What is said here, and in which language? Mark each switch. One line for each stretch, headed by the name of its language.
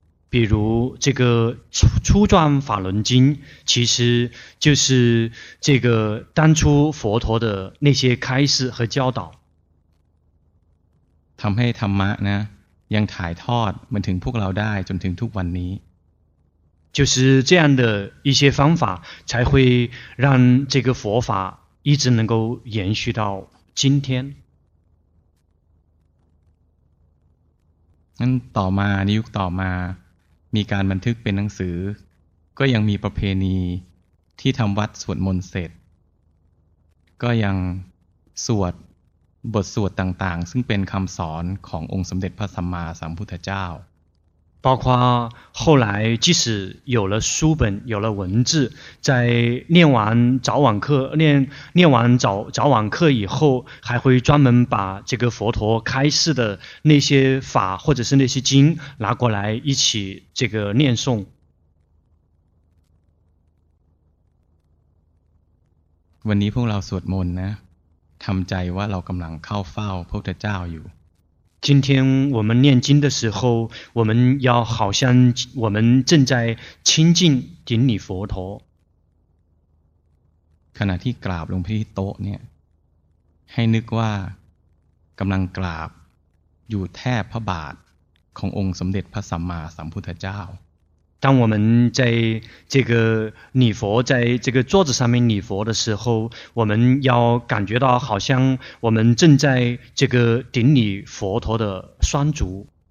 Chinese: เป 比如这个初转法轮经，其实就是这个当初佛陀的那些开示和教导。
Thai: ทำให้ธรรมะนะยังถ่ายทอดมาถึงพวกเราได้จนถึงทุกวันนี้
Chinese: 就是这样的一些方法才会让这个佛法一直能够延续到今天。
Thai: ต่อมาในยุคต่อมามีการบันทึกเป็นหนังสือก็ยังมีประเพณีที่ทำวัดสวดมนต์เสร็จก็ยังสวดบทสวดต่างๆซึ่งเป็นคำสอนขององค์สมเด็จพระสัมมาสัมพุทธเจ้า
Chinese: 包括后来即使有了书本有了文字在念完早晚课 念完早晚课以后还会专门把这个佛陀开示的那些法或者是那些经拿过来一起这个念诵
Thai: วันนี้พวกเราสวดมนต์นะทำใจว่าเรากำลังเข้าเฝ้าพระพุทธเจ้าอยู่
Chinese: 今天我们念经的时候我们要好像我们正在亲近顶礼佛陀
Thai: ขณะที่กราบลงที่โต๊ะเนี่ยให้นึกว่ากำลังกราบอยู่แทบพระบาทขององค์สมเด็จพระสัมมาสัมพุทธเจ้า
Chinese: 当我们在这个礼佛在这个桌子上面礼佛的时候我们要感觉到好像我们正在这个顶礼佛陀的双足